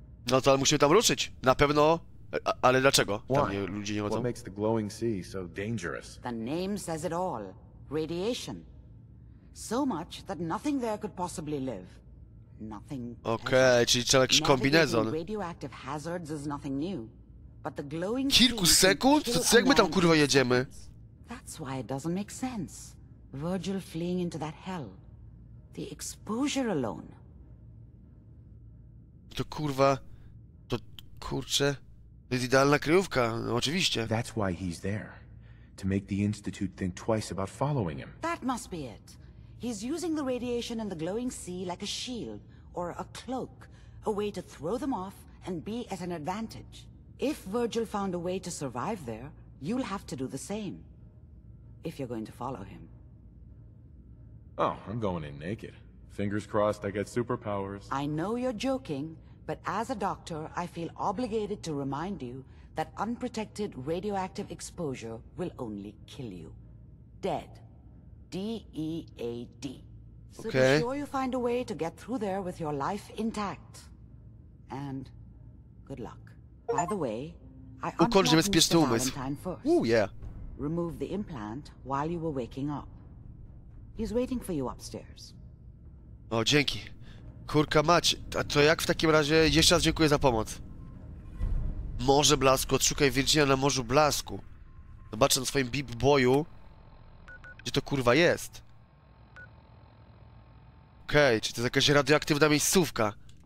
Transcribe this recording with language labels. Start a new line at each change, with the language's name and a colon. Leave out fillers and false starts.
Polish: No to musimy tam ruszyć. Na pewno... Ale dlaczego? Tam nie, ludzie nie chodzą.
English: What makes the glowing sea so dangerous? The name says it all. Radiation. So much that nothing there could possibly live. Nothing.
Polish: Okej, okay, czyli trzeba jakiś kombinezon.
English: Radioactive hazards is nothing new. But the glowing
Polish: kilku sekund? To jak my tam kurwa jedziemy?
English: That's why it doesn't make sense. Virgil fleeing into that hell. The exposure alone.
Polish: To kurwa. To kurcze. To jest idealna kryjówka, no, oczywiście.
English: That's why he's there. To make the Institute think twice about following him. That must be it. He's using the radiation and the glowing sea like a shield or a cloak a way to throw them off and be at an advantage. If Virgil found a way to survive there, you'll have to do the same. If you're going to follow him. Oh, I'm going in naked. Fingers crossed I get superpowers. I know you're joking, but as a doctor, I feel obligated to remind you that unprotected radioactive exposure will only kill you. Dead. D-E-A-D. So okay. Be sure you find a way to get through there with your life intact. And good luck. By the way, I unlocked Mr. Valentine first. Ooh, yeah. Remove the implant while you were waking up. He's waiting for you upstairs.
Polish: O, dzięki. Kurka mać, a to jak w takim razie? Jeszcze raz dziękuję za pomoc. Morze Blasku, odszukaj Virginia na Morzu Blasku. Zobaczę na swoim Beep Boyu, gdzie to kurwa jest. Okej, czy to jest jakaś radioaktywna miejscówka?